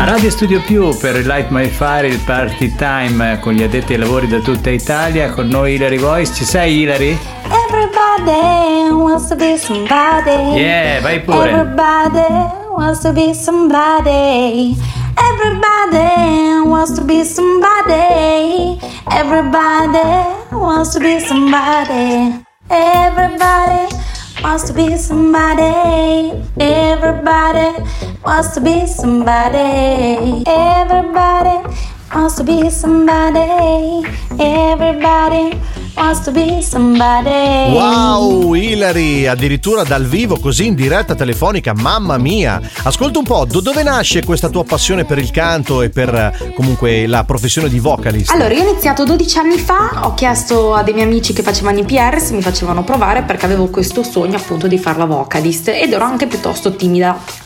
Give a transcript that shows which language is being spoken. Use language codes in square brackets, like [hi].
[it] Studio Più per Light My Fire, il party time con gli addetti ai lavori da tutta Italia, con noi Ilari Voice. Ci sei Ilari? [en] Everybody wants to be somebody. [it] Yeah, vai pure. [en] Everybody wants to be somebody. Everybody wants to be somebody. Everybody wants to be somebody. Everybody wants to be somebody. Everybody wants to be somebody. Everybody wants to be somebody. Everybody wants to be somebody. [it] Wow, Ilari, addirittura dal vivo, così in diretta telefonica, mamma mia. Ascolta un po', dove nasce questa tua passione per il canto e per comunque la professione di vocalist? Allora, io ho iniziato 12 anni fa, ho chiesto a dei miei amici che facevano IPR se mi facevano provare, perché avevo questo sogno appunto di farla vocalist ed ero anche piuttosto timida.